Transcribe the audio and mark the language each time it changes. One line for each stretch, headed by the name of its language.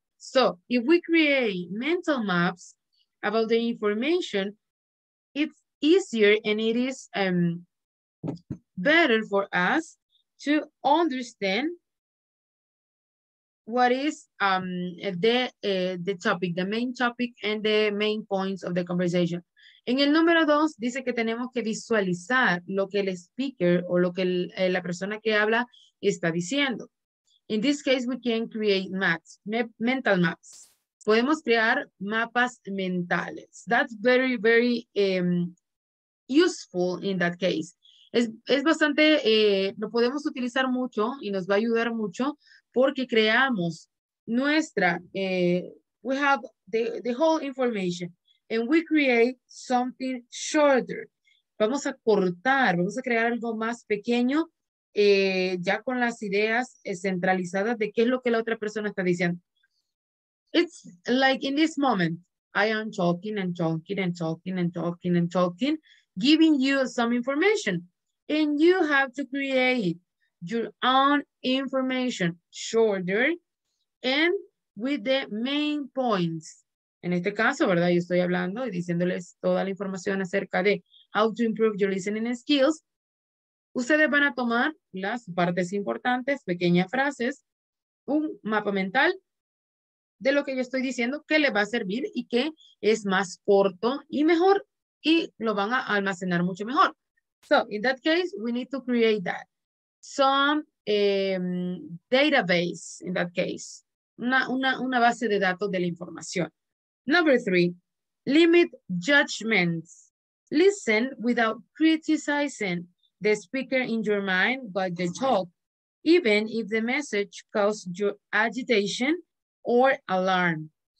English: So if we create mental maps about the information, it's easier and it is better for us to understand what is the topic, the main topic and the main points of the conversation.
Spanish: En el número dos, dice que tenemos que visualizar lo que el speaker o lo que la persona que habla está diciendo.
English: In this case, we can create maps, mental maps. Podemos crear mapas mentales. That's very, very useful in that case.
Spanish: Es bastante, lo podemos utilizar mucho y nos va a ayudar mucho porque creamos nuestra,
English: we have the whole information. And we create something shorter.
Spanish: Vamos a cortar, vamos a crear algo más pequeño ya con las ideas centralizadas de qué es lo que la otra persona está diciendo.
English: It's like in this moment, I am talking and talking and talking and talking and talking, giving you some information. And you have to create your own information shorter and with the main points
Spanish: En este caso, ¿verdad? Yo estoy hablando y diciéndoles toda la información acerca de
English: how to improve your listening skills.
Spanish: Ustedes van a tomar las partes importantes, pequeñas frases, un mapa mental de lo que yo estoy diciendo, que les va a servir y que es más corto y mejor, y lo van a almacenar mucho mejor.
English: So, in that case, we need to create that. Some database, in that case.
Spanish: Una base de datos de la información.
English: Number three, limit judgments. Listen without criticizing the speaker in your mind, but the talk, even if the message caused your agitation or alarm.